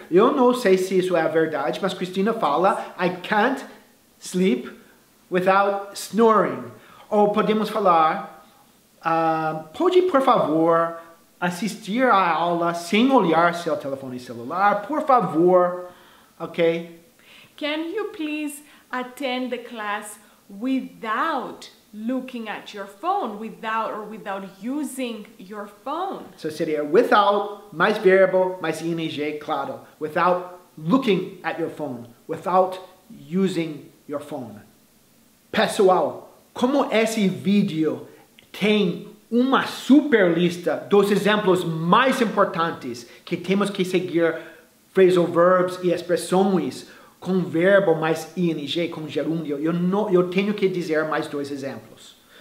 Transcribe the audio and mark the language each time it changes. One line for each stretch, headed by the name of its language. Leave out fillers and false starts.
Portuguese: Eu não sei se isso é a verdade, mas Cristina fala,
English: I can't sleep without snoring.
Portuguese: Ou podemos falar, pode por favor assistir a aula sem olhar seu telefone celular, por favor, ok?
English: Can you please attend the class without looking at your phone, without using your phone?
Portuguese: So seria without, mais verbo, mais ing, claro.
English: Without looking at your phone, without using your phone.
Portuguese: Pessoal, como esse vídeo tem uma super lista dos exemplos mais importantes que temos que seguir phrasal verbs e expressões com verbo mais ing, com gerúndio, eu tenho que dizer mais dois exemplos.